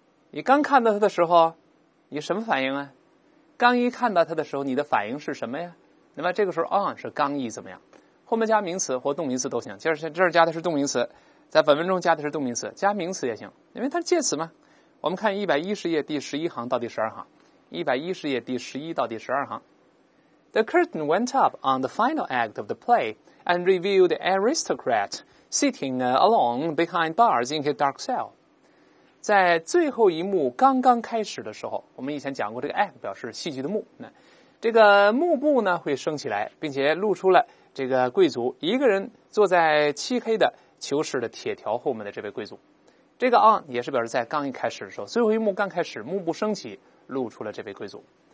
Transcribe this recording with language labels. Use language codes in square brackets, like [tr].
[zh] 你刚看到他的时候你什么反应啊？刚一看到他的时候你的反应是什么呀？那么这个时候 on 是刚一怎么样，后面加名词或动名词都行，就是这儿加的是动名词，在本文中加的是动名词，加名词也行，因为它是介词嘛。我们看110页第11行到第12行，110页第11到第12行。 [en] The curtain went up on the final act of the play and revealed the aristocrat sitting alone behind bars in his dark cell。 [zh] 在最后一幕刚刚开始的时候，我们以前讲过这个 act 表示戏剧的幕，这个幕布呢会升起来，并且露出了这个贵族一个人坐在漆黑的囚室的铁条后面的这位贵族。这个 on 也是表示在刚一开始的时候，最后一幕刚开始，幕布升起，露出了这位贵族。